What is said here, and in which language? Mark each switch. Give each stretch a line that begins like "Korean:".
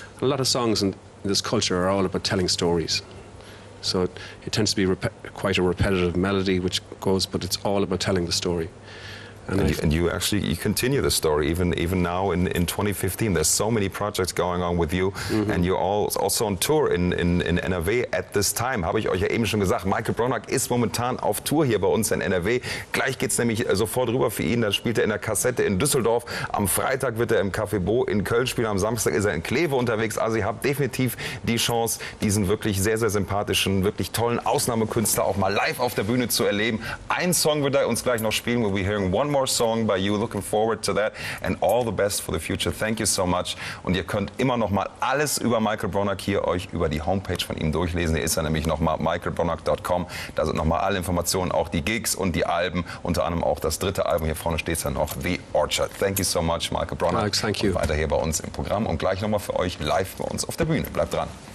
English: A lot of songs in this culture are all about telling stories. So it tends to be quite a repetitive melody which goes, but it's all about telling the story. And you continue the story even now in 2015. There's so many projects going on with you, mm-hmm. and you're also on tour in NRW at this time.
German: Habe ich euch ja eben schon gesagt, Michael Brunnock ist momentan auf Tour hier bei uns in NRW. Gleich geht's nämlich sofort rüber für ihn. Da spielt er in der Kassette in Düsseldorf. Am Freitag wird er im Café Bo in Köln spielen. Am Samstag ist er in Kleve unterwegs. Also ihr habt definitiv die Chance, diesen wirklich sehr, sehr sympathischen, wirklich tollen Ausnahmekünstler auch mal live auf der Bühne zu erleben. Ein Song wird er uns gleich noch spielen.
English: We'll be hearing one more song by you, looking forward to that, and all the best for the future. Thank you so much.
German: Und ihr könnt immer noch mal alles über Michael Brunnock hier euch über die Homepage von ihm durchlesen. Hier ist er nämlich noch mal michaelbrunnock.com. Da sind noch mal alle Informationen, auch die Gigs und die Alben, unter anderem auch das dritte Album. Hier vorne steht es ja noch, The Orchard.
English: Thank you so much,
German: Michael Brunnock.
English: Alex, thank you.
German: Und weiter hier bei uns im Programm und gleich noch mal für euch live bei uns auf der Bühne. Bleibt dran.